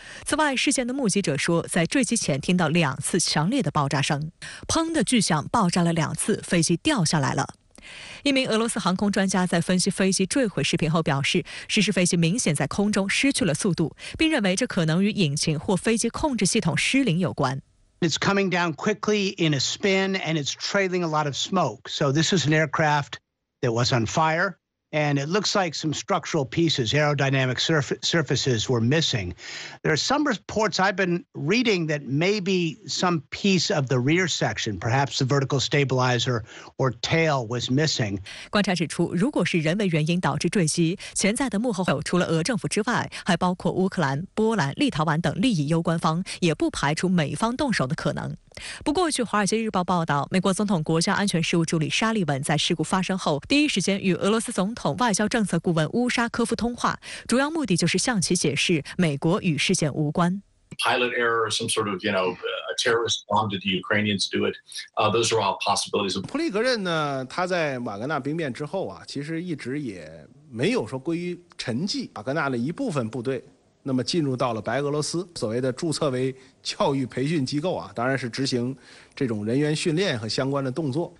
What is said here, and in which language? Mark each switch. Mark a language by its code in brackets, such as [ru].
[zh] 此外，事件的目击者说，在坠机前听到2次强烈的爆炸声，砰的巨响爆炸了2次，飞机掉下来了。一名俄罗斯航空专家在分析飞机坠毁视频后表示，失事飞机明显在空中失去了速度，并认为这可能与引擎或飞机控制系统失灵有关。 [en] It's coming down quickly in a spin and it's trailing a lot of smoke. So this is an aircraft that was on fire. And it looks like some structural pieces, aerodynamic surfaces were missing. There are some reports I've been reading that maybe some piece of the rear section, perhaps the vertical stabilizer or tail was missing. [zh] 观察指出，如果是人为原因导致坠机，潜在的幕后除了俄政府之外，还包括乌克兰、波兰、立陶宛等利益攸关方，也不排除美方动手的可能。不过，据《华尔街日报》报道，美国总统国家安全事务助理沙利文在事故发生后，第一时间与俄罗斯总统外交政策顾问乌沙科夫通话，主要目的就是向其解释美国与事件无关。 [en] Pilot error, some sort of, you know, a terrorist bomb. Did the Ukrainians do it? Those are all possibilities. [zh] 普里戈任呢，他在瓦格纳兵变之后啊，其实一直也没有说归于沉寂，瓦格纳的一部分部队。那么进入到了白俄罗斯，所谓的注册为教育培训机构啊，当然是执行这种人员训练和相关的动作。